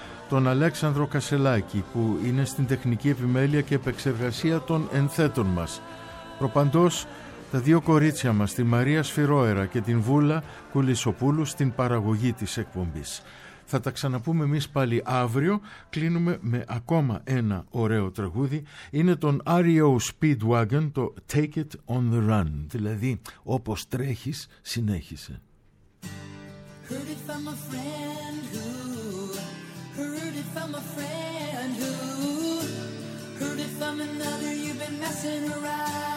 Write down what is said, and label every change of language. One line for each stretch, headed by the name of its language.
Greek: Τον Αλέξανδρο Κασελάκη που είναι στην τεχνική επιμέλεια και επεξεργασία των ενθέτων μας. Προπαντός, τα δύο κορίτσια μας, τη Μαρία Σφυρόερα και την Βούλα Κουλισοπούλου στην παραγωγή της εκπομπής. Θα τα ξαναπούμε εμείς πάλι αύριο. Κλείνουμε με ακόμα ένα ωραίο τραγούδι. Είναι τον REO Speedwagon, το Take It On The Run. Δηλαδή, όπως τρέχεις, συνέχισε.
English: Heard it from a friend who heard it from a friend who heard it from another. You've been messing around.